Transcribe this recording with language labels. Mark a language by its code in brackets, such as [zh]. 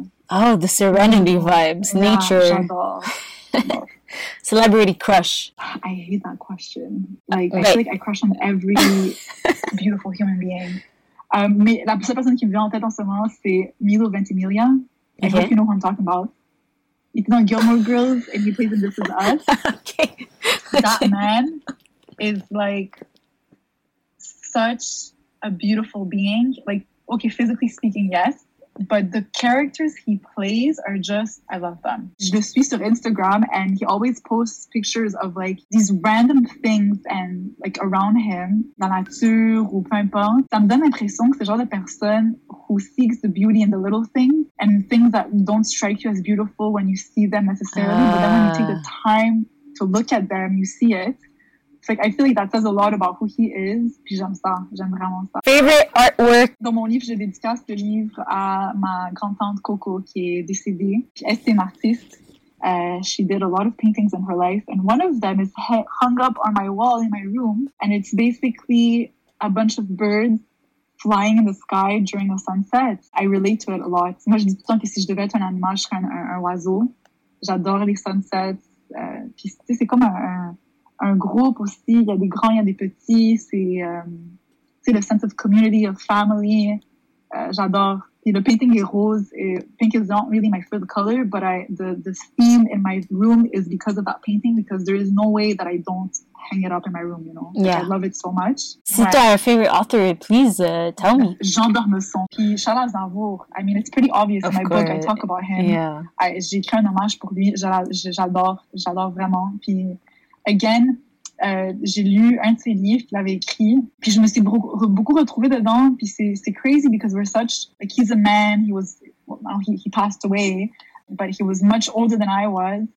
[en] Oh, the serenity vibes, yeah, nature. [fr] J'adore. [en] Celebrity crush. I hate that question. Like, I feel like I crush on every beautiful human being. [fr] Mais la seule personne qui me vient en tête en ce moment, c'est Milo Ventimiglia. [en] Okay. I hope you know who I'm talking about. He's on Gilmore Girls and he plays in This Is Us. Okay. That man is like such a beautiful being. Like, okay, physically speaking, yes. But the characters he plays are just, I love them. [fr] Je le suis sur Instagram, [en] and he always posts pictures of, like, these random things and, like, around him, [fr] dans la nature ou peu importe. Ça me donne l'impression que c'est le genre de personne [en] who seeks the beauty in the little things and things that don't strike you as beautiful when you see them necessarily. But then when you take the time to look at them, you see it. It's like, I feel like that says a lot about who he is. [fr] Puis j'aime ça. J'aime vraiment ça. [en] Favorite artwork? [fr] Dans mon livre, j'ai dédicacé ce livre à ma grand-tante Coco, qui est décédée. Puis elle, c'est une artiste. [en] She did a lot of paintings in her life. And one of them is hung up on my wall in my room. And it's basically a bunch of birds flying in the sky during a sunset. I relate to it a lot. [fr] Moi, je dis tout le temps que si je devais être un animal, je serais un oiseau. J'adore les sunsets. Puis, tu sais, c'est comme un groupe aussi, il y a des grands, il y a des petits, c'est le [en] sense of community, of family, [fr] j'adore. Et le painting est rose, et [en] pink is not really my favorite color, but the theme in my room is because of that painting, because there is no way that I don't hang it up in my room, you know. Yeah. I love it so much. [fr] Si tu as un [en] favorite author, please tell me. Jean d'Ormesson, puis Charles Aznavour. I mean, it's pretty obvious in my book, I talk about him. Yeah. [fr] J'ai écrit un hommage pour lui, j'adore vraiment, puis... Again, j'ai lu un de ses livres, je l'avais écrit, puis je me suis beaucoup retrouvée dedans, puis c'est [en] crazy because we're such, like, he's a man, he passed away, but he was much older than I was.